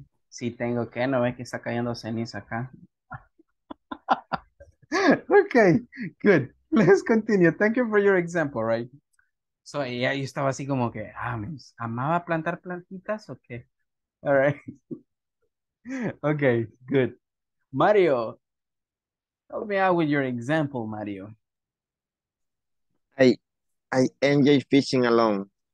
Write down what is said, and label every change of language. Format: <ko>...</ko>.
<es>Sí, tengo que, no ves que está cayendo ceniza acá.</es> <en>Okay, good. Let's continue. Thank you for your example, right?</en> <es>So ella, yo estaba así como que, ¿amaba plantar plantitas o qué?</es> <en>All right. Okay, good. Mario, help me out with your example, Mario. I enjoy fishing alone.</en>